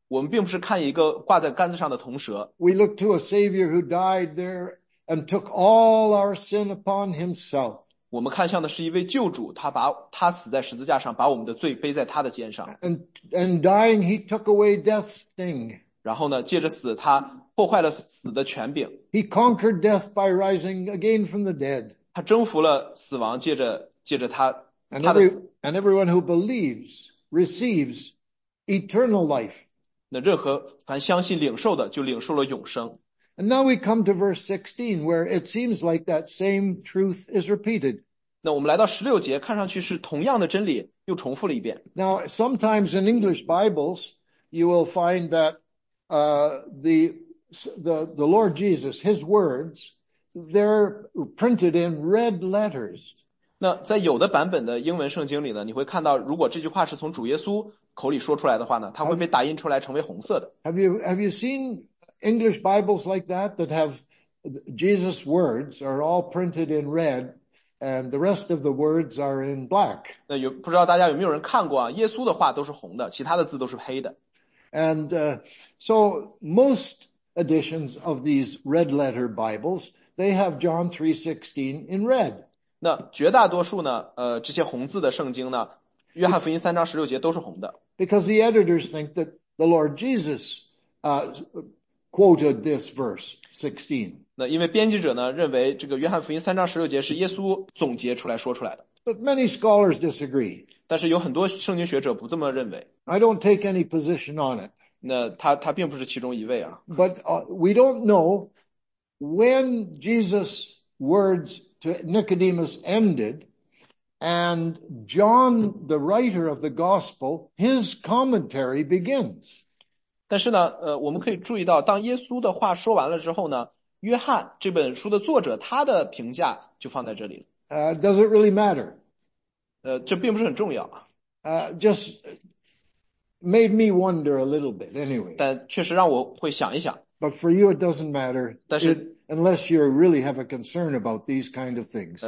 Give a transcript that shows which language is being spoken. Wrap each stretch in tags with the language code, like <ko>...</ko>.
<zh>我们并不是看一个挂在杆子上的铜蛇。</zh> <en>We look to a savior who died there and took all our sin upon himself.</en> <zh>我们看向的是一位救主，他死在十字架上，把我们的罪背在他的肩上。</zh> <en>And dying, he took away death's sting.</en> <zh>然后呢，借着死，他破坏了死的权柄。</zh> <en>He conquered death by rising again from the dead.</en> <zh>他征服了死亡，借着他</zh> <en>and</en> <zh>他的死。</zh> <en>And everyone who believes receives eternal life.</en> <zh>那任何凡相信领受的，就领受了永生。</zh> <en>And now we come to verse 16, where it seems like that same truth is repeated.</en> <zh>那我们来到16节，看上去是同样的真理，又重复了一遍。</zh> <en>Now, sometimes in English Bibles, you will find that the Lord Jesus, his words, they're printed in red letters.</en> <zh>那在有的版本的英文圣经里呢，你会看到，如果这句话是从主耶稣口里说出来的话呢，它会被打印出来成为红色的。</zh> <en>Have you seen English Bibles like that have Jesus' words are all printed in red and the rest of the words are in black?</en> <zh>那有不知道大家有没有人看过啊？耶稣的话都是红的，其他的字都是黑的。</zh> <en>And so most editions of these red letter Bibles they have John 3:16 in red.</en> <zh>那绝大多数呢，这些红字的圣经呢，约翰福音三章十六节都是红的。</zh> <en>Because the editors think that the Lord Jesus quoted this verse 16.</en> <zh>那因为编辑者呢认为这个约翰福音三章十六节是耶稣总结出来说出来的。</zh> <en>But many scholars disagree.</en> <zh>但是有很多圣经学者不这么认为。</zh> <en>I don't take any position on it.</en> <zh>那他并不是其中一位啊。</zh> <en>But we don't know when Jesus' words to Nicodemus ended. And John, the writer of the gospel, his commentary begins.</en> <zh>但是呢，我们可以注意到，当耶稣的话说完了之后呢，约翰这本书的作者他的评价就放在这里了。</zh> <en>Does it really matter?</en> <zh>这并不是很重要啊。</zh> <en>Just made me wonder a little bit anyway.</en> <zh>但确实让我会想一想。</zh> <en>But for you, it doesn't matter.</en> <zh>但是。</zh> <en>Unless you really have a concern about these kind of things.</en>